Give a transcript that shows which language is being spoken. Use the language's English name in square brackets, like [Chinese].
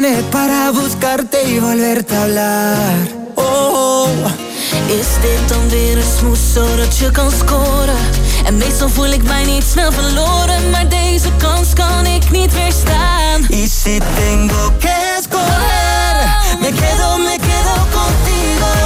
[Spanish] para buscarte y volverte a hablar. [Dutch] Oh, is dit dan weer een smoes zodat je kan scoren? En meestal voel ik mij niet snel verloren, maar deze kans kan ik niet weerstaan. [Spanish] Y si tengo que escoger, me quedo contigo.